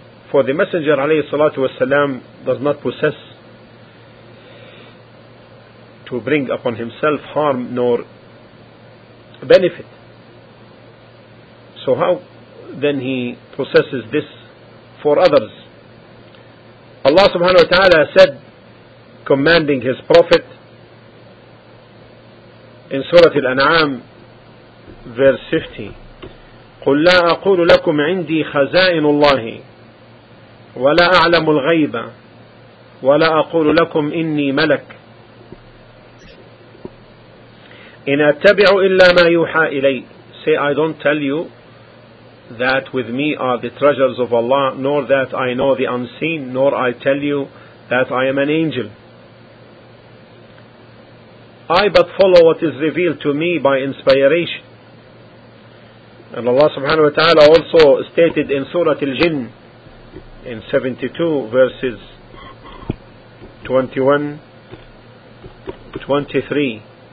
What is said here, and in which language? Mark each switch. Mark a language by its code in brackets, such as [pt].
[en] For the Messenger alayhi salatu wasalam does not possess to bring upon himself harm nor benefit. So how then he possesses this for others? Allah subhanahu wa ta'ala said, commanding his prophet in Surah Al-An'am verse 50, [ar] قُلْ لَا أَقُولُ لَكُمْ عِنْدِي خَزَائِنُ اللَّهِ وَلَا أَعْلَمُ الْغَيْبَ وَلَا أَقُولُ لَكُمْ إِنِّي مَلَكٌ إِنْ أَتَّبِعُ إِلَّا مَا يُوحَى إِلَيْهِ. [en] Say, I don't tell you that with me are the treasures of Allah, nor that I know the unseen, nor I tell you that I am an angel. I but follow what is revealed to me by inspiration. And Allah subhanahu wa ta'ala also stated in Surah Al-Jinn in 72 verses 21-23.